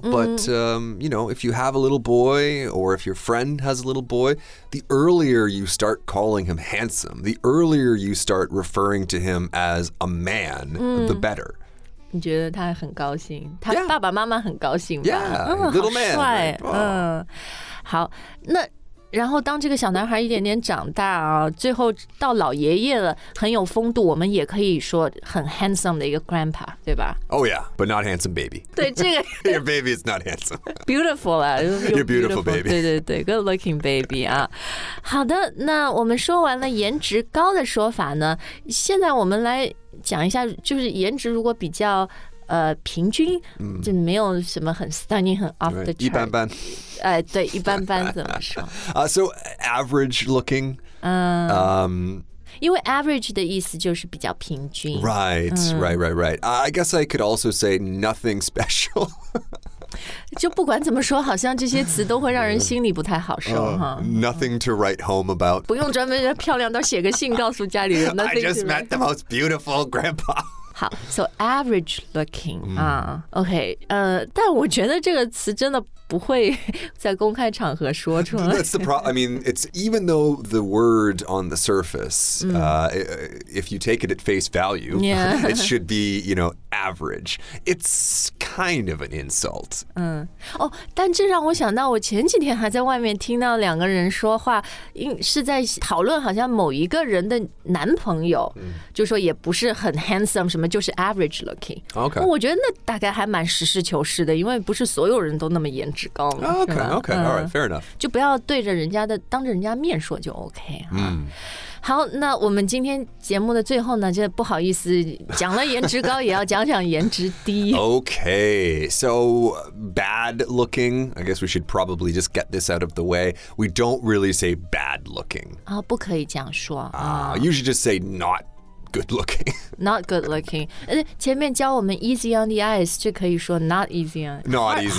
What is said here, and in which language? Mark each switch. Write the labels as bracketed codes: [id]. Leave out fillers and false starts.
[en] But, you know, if you have a little boy or if your friend has a little boy, the earlier you start calling him handsome, the earlier you start referring to him as a man, the better. [zh] 你觉得他很高兴，他爸爸妈妈很高兴吧 [en] yeah, little man. [zh] 好帅。好，那然后当这个小男孩一点点长大啊，最后到老爷爷了，很有风度，我们也可以说很 handsome 的一个 grandpa, 对吧 [en] ？Oh yeah, but not handsome baby. [zh] 对这个 [en] ，Your baby is not handsome. Beautiful 啊，Your beautiful baby. [zh] 对对对 ， [en] good looking baby [zh] 啊。好的，那我们说完了颜值高的说法呢，现在我们来讲一下，就是颜值如果比较。平均就没有什么很 stunning 很 [en] off the chart [zh] 一般般对一般般怎么说 [en] So average looking [zh] 因为 average 的意思就是比较平均 [en] Right. I guess I could also say nothing special [zh] 就不管怎么说好像这些词都会让人心里不太好受 [en] Nothing to write home about [zh] 不用专门漂亮到写个信告诉家里人 [en] I just met the most beautiful grandpa [zh] 好 ， [en] so average looking [zh] 啊、，OK， 但我觉得这个词真的不会在公开场合说出来。 [en] That's the problem. I mean, it's even though the word on the surface,、if you take it at face value,、it should be, you know, average. It's kind of an insult. [zh] 嗯，哦，但这让我想到，我前几天还在外面听到两个人说话，是在讨论好像某一个人的男朋友，就说也不是很 handsome 什么，就是 [en] average looking. Okay. [zh] 我觉得那大概还蛮实事求是的，因为不是所有人都那么颜值高嘛。 [en] Okay. Okay. All right. Fair enough. [zh] 就不要对着人家的当着人家面说就 OK 啊。好，那我们今天节目的最后呢，就不好意思讲了颜值高，也要讲讲颜值低。 [en] Okay, so bad looking. I guess we should probably just get this out of the way. We don't really say bad looking. [zh] 啊、不可以这样说啊。 [en] You should just say not good looking. Not good looking. [zh] 前面教我们 [en] easy on the eyes [zh] 就可以说 [en] not easy on. Not easy.